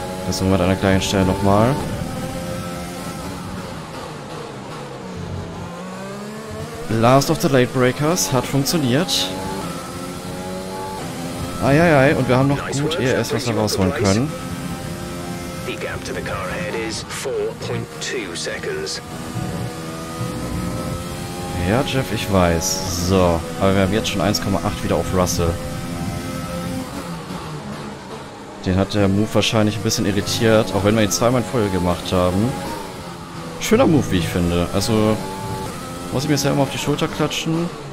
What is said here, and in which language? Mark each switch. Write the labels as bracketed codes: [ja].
[de] So, mit einer kleinen Stelle nochmal. [en] Last of the Late Breakers [de] hat funktioniert. Eieiei, und wir haben noch gut ERS, was wir rausholen können. [en] The gap to the car ahead is 4.2 seconds. [de] Ja, Jeff, ich weiß. So, aber wir haben jetzt schon 1,8 wieder auf Russell. Den hat der Move wahrscheinlich ein bisschen irritiert, auch wenn wir ihn zweimal in Folge gemacht haben. Schöner Move, wie ich finde. Also, muss ich mir selber mal auf die Schulter klatschen.